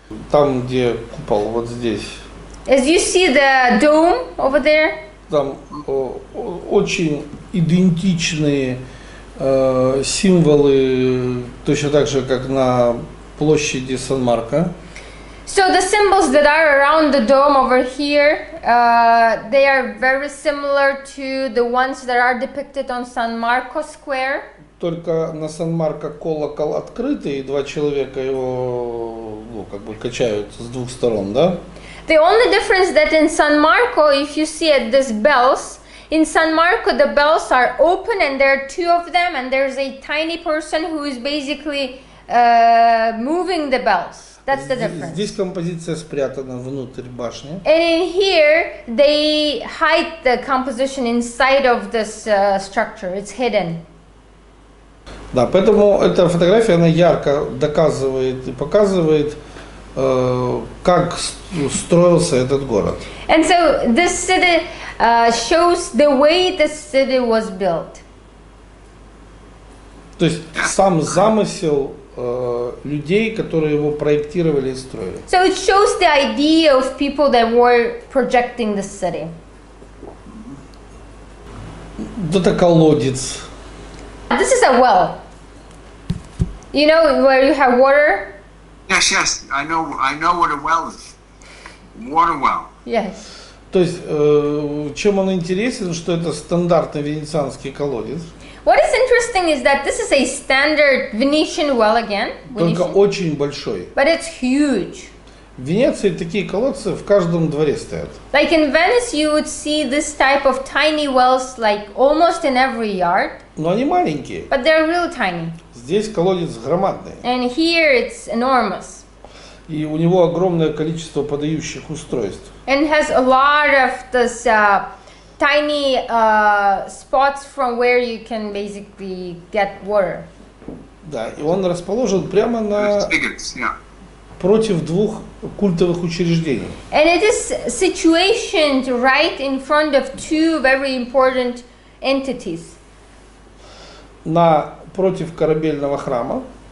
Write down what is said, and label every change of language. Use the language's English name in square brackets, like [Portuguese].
[Russian] Там, где купол, вот здесь. [English] As you see the dome over there. [Russian] Там очень идентичные символы, точно так же, как на площади Сан-Марко. [English] So the symbols that are around the dome over here, they are very similar to the ones that are depicted on San Marco Square. [Russian] Только на Сан-Марко колокол открытый, и два человека его, ну, как бы качают с двух сторон, да? [English] The only difference that in San Marco, if you see at these bells, in San Marco the bells are open and there are two of them and there's a tiny person who is basically moving the bells. That's the difference. [Russian] Здесь композиция спрятана внутрь башни. [English] And in here they hide the composition inside of this structure. It's hidden. [Russian] Да, поэтому эта фотография она ярко доказывает и показывает, как строился этот город. [English] And so this city shows the way the city was built. [Russian] То есть сам замысел людей, которые его проектировали и строили. [English] So it shows the idea of people that were projecting the city. [Russian] Вот это колодец. [English] This is a well. You know where you have water? Yes, yes. I know what a well is. Water well. Yes. [Russian] То есть, чем он интересен, что это стандартный венецианский колодец. [English] What is interesting is that this is a standard Venetian well again. [Russian] Только очень большой. [English] But it's huge. [Russian] В Венеции такие колодцы в каждом дворе стоят. [English] Like in Venice you would see this type of tiny wells like almost in every yard. [Russian] Но они маленькие. [English] But they're real tiny. [Russian] Здесь колодец громадный. [English] And here it's enormous. [Russian] И у него огромное количество подающих устройств. [English] And has a lot of this tiny spots from where you can basically get water. [Russian] Да, и он расположен прямо на [English] spigots, yeah. [Russian] Против двух культовых учреждений. [English] And it is situated right in front of two very important entities. [Russian] На против корабельного храма.